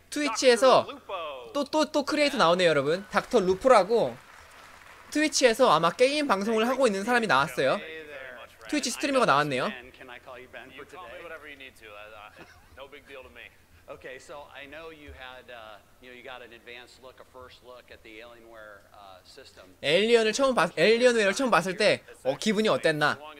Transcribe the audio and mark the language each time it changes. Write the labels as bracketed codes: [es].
[ko] 트위치에서 또 크리에이터 나오네요, 여러분. 닥터 루포라고 트위치에서 아마 게임 방송을 하고 있는 사람이 나왔어요. 트위치 스트리머가 나왔네요. [en] Can I call you Ben for today? Call me whatever you need to. No big deal to me. Okay, so I know you had, you know, you got an advanced look, a first look at the Alienware system. [ko] 엘리언웨어를 처음 봤을 때, 기분이 어땠나?